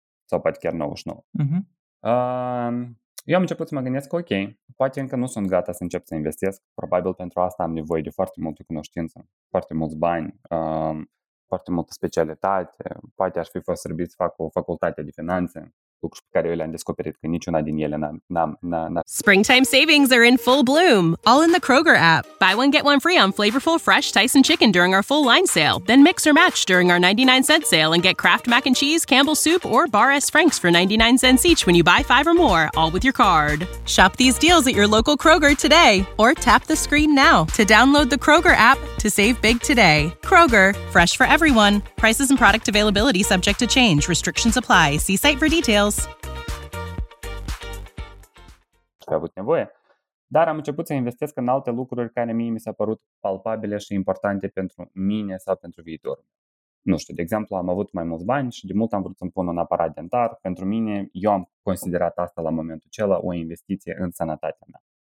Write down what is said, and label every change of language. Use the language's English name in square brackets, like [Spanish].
[Romanian] Sau poate chiar 99%. Eu am început să mă gândesc, ok, poate încă nu sunt gata să încep să investesc, probabil pentru asta am nevoie de foarte multe cunoștință, foarte mulți bani, foarte multă specialitate, poate aș fi fost răbit să fac o facultate de finanțe. Lucruri pe care eu le-am descoperit că niciuna din ele n-am. [English] Springtime savings are in full bloom, all in the Kroger app. Buy one, get one free on flavorful fresh Tyson chicken during our full line sale. Then mix or match during our 99 cent sale and get Kraft mac and cheese, Campbell's soup, or Bar S Franks for 99 cents each when you buy five or more, all with your card. Shop these deals at your local Kroger today or tap the screen now to download the Kroger app to save big today. Kroger, fresh for everyone. Prices and product availability subject to change. Restrictions apply. See site for details. [Romanian] Am avut nevoie, dar am început să investesc în alte lucruri care mie mi s-au părut palpabile și importante pentru mine sau pentru viitor. Nu știu, de exemplu, am avut mai mulți bani și de mult am vrut să-mi pun un aparat dentar. Pentru mine, eu am considerat asta la momentul acela o investiție în sănătatea mea.